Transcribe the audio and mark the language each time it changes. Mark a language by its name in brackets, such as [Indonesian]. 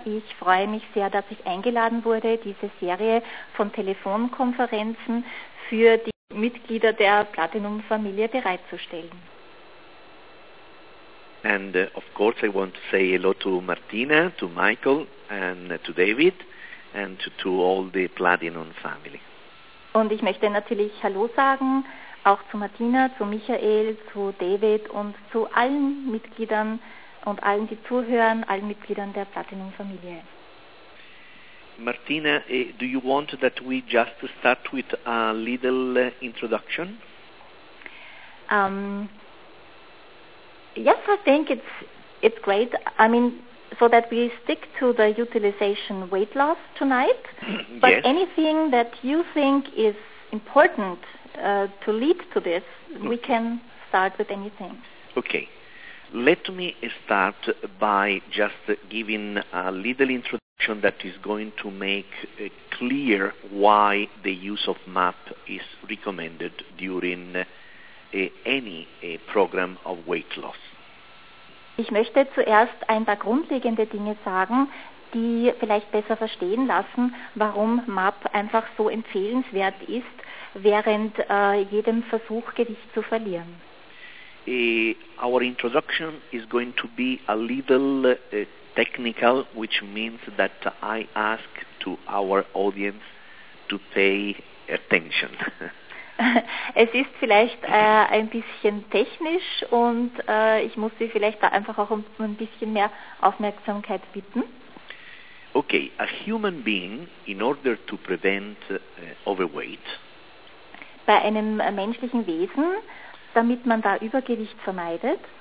[German] Ich freue mich sehr, dass ich eingeladen wurde, diese Serie von Telefonkonferenzen für die Mitglieder der Platinum Familie bereitzustellen. [English] And of course I want to say hello to Martina, to Michael and to David and to all the Platinum family. [German] Und ich möchte natürlich Hallo sagen, auch zu Martina, zu Michael, zu David und zu allen Mitgliedern und allen, die zuhören, allen Mitgliedern der Platinum Familie. [English] Martina, do you want that we just start with a little introduction? Yes, I think it's great. I mean, so that we stick to the utilization weight loss tonight. But yes. Anything that you think is important to lead to this, we can start with anything. Okay. Let me start by just giving a little introduction that is going to make clear why the use of MAP is recommended during any program of weight loss. [German] Ich möchte zuerst ein paar grundlegende Dinge sagen, die vielleicht besser verstehen lassen, warum MAP einfach so empfehlenswert ist, während jedem Versuch, Gewicht zu verlieren. [English] Our introduction is going to be a little technical, which means that I ask to our audience to pay attention. [German] Es ist vielleicht ein bisschen technisch und ich muss Sie vielleicht da einfach auch um ein bisschen mehr Aufmerksamkeit bitten. [English] Okay, a human being, in order to prevent overweight. [German] Bei einem menschlichen Wesen, damit man da Übergewicht vermeidet.